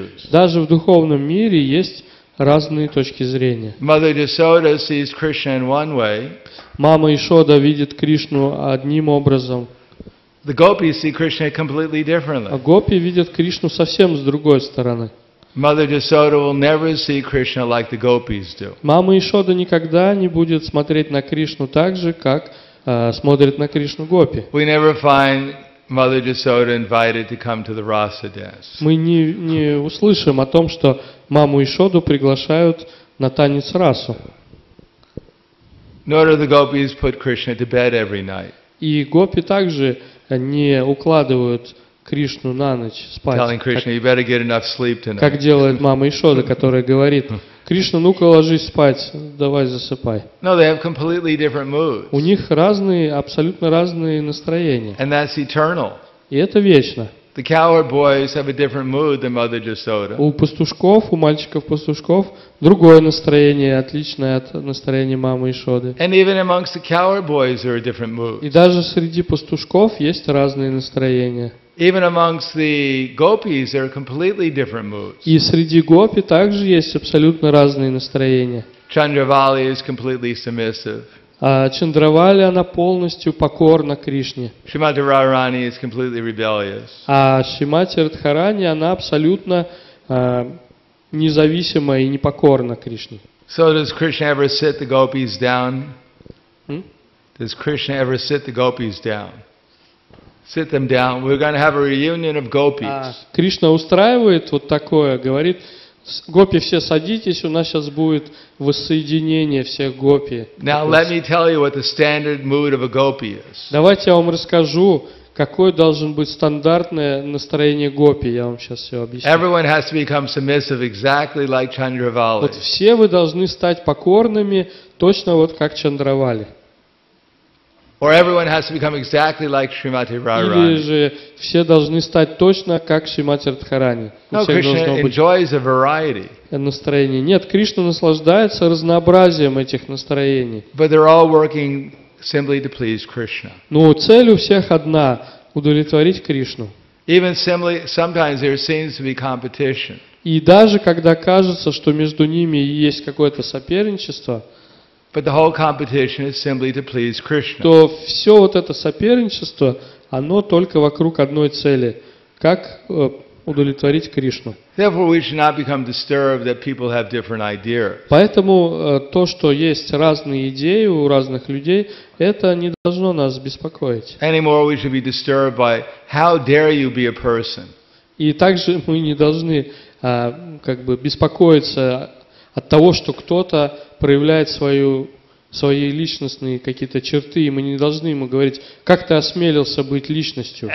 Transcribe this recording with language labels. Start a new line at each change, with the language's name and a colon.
Russian: Даже в духовном мире есть разные точки зрения. Мама Ясода видит Кришну одним образом.
English: The gopis see Krishna completely differently.
Russian: А гопи видят Кришну совсем с другой стороны.
English: Mother Yashoda will never see Krishna like the gopis do.
Russian: Мама Ясода никогда не будет смотреть на Кришну так же, как смотрит на Кришну гопи.
English: We never find Mother Yashoda invited to come to the Rasa dance.
Russian: Мы не услышим о том, что маму Ясоду приглашают на танец расу.
English: Nor do the gopis put Krishna to bed every night.
Russian: И гопи также не укладывают Кришну на ночь спать, как делает мама Ясода, которая говорит: «Кришна, ну-ка ложись спать, давай засыпай».
English: No, they have completely different moods.
Russian: У них разные, абсолютно разные настроения.
English: And that's eternal.
Russian: И это вечно.
English: The cowherd boys have a different mood than Mother Yashoda.
Russian: У пастушков, у мальчиков-пастушков другое настроение, отличное от настроения мамы Ясоды.
English: And even amongst the cowherd boys there are different moods.
Russian: И даже среди пастушков есть разные настроения.
English: Even amongst the gopis there are completely different moods.
Russian: И среди гопи также есть абсолютно разные настроения.
English: Chandravali is completely submissive.
Russian: А Чандравали, она полностью покорна Кришне.
English: Шримати Радхарани is completely rebellious.
Russian: А Шримати Радхарани, она абсолютно независима и непокорна Кришне.
English: So does Krishna ever sit the gopis down? Does Krishna ever sit the gopis down? Sit them down. We're going to have a reunion of gopis.
Russian: Кришна устраивает вот такое, говорит: гопи, все садитесь, у нас сейчас будет воссоединение всех гопи.
English: Now let me tell you what the standard mood of a gopi is.
Russian: Давайте я вам расскажу, какое должен быть стандартное настроение гопи. Я вам сейчас все объясню.
English: Everyone has to become submissive exactly like Chandravali.
Russian: Вот все вы должны стать покорными точно вот как Чандравали.
English: Or everyone has to become exactly like Shrimati Radharani.
Russian: Или же все должны стать точно как Шримати Радхарани.
English: No, Krishna enjoys a variety.
Russian: Настроение. Нет, Кришна наслаждается разнообразием этих настроений.
English: But they're all working simply to please Krishna.
Russian: Но цель у всех одна — удовлетворить Кришну.
English: Even simply, sometimes there seems to be competition.
Russian: И даже когда кажется, что между ними есть какое-то соперничество.
English: But the whole competition is simply to please Krishna.
Russian: То все вот это соперничество, оно только вокруг одной цели: как удовлетворить Кришну.
English: Therefore, we should not become disturbed that people have different ideas.
Russian: Поэтому то, что есть разные идеи у разных людей, это не должно нас беспокоить.
English: Anymore, we should be disturbed by how dare you be a person.
Russian: И также мы не должны как бы беспокоиться от того, что кто-то проявляет свои личностные какие-то черты, и мы не должны ему говорить: как ты осмелился быть личностью.